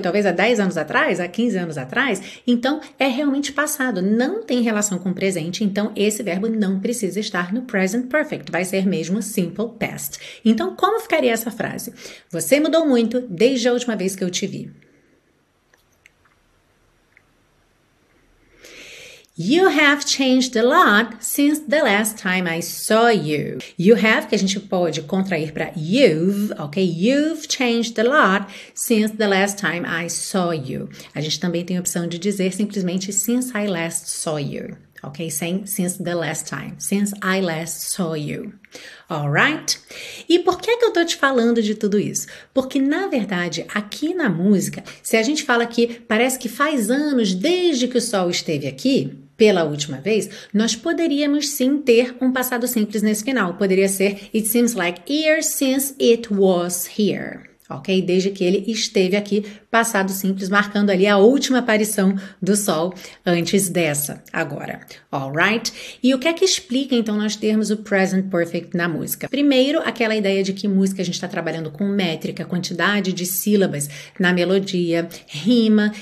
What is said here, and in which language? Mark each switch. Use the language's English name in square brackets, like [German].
[Portuguese] Talvez há 10 anos atrás, há 15 anos atrás. Então, é realmente passado, não tem relação com o presente. Então, esse verbo não precisa estar no present perfect. Vai ser mesmo simple past. Então, como ficaria essa frase? Você mudou muito desde a última vez que eu te vi. [English] You have changed a lot since the last time I saw you. You have, [Portuguese] que a gente pode contrair para [English] you've, [Portuguese] ok? [English] You've changed a lot since the last time I saw you. [Portuguese] A gente também tem a opção de dizer simplesmente [English] since I last saw you, [Portuguese] ok? Sem [English] since the last time, since I last saw you. Alright? [Portuguese] E por que que eu tô te falando de tudo isso? Porque, na verdade, aqui na música, se a gente fala que parece que faz anos desde que o sol esteve aqui, pela última vez, nós poderíamos sim ter um passado simples nesse final. Poderia ser, [English] it seems like years since it was here. Ok? [Portuguese] Desde que ele esteve aqui, passado simples, marcando ali a última aparição do sol antes dessa, agora. Alright? E o que é que explica, então, nós termos o present perfect na música? Primeiro, aquela ideia de que música a gente está trabalhando com métrica, quantidade de sílabas na melodia, rima.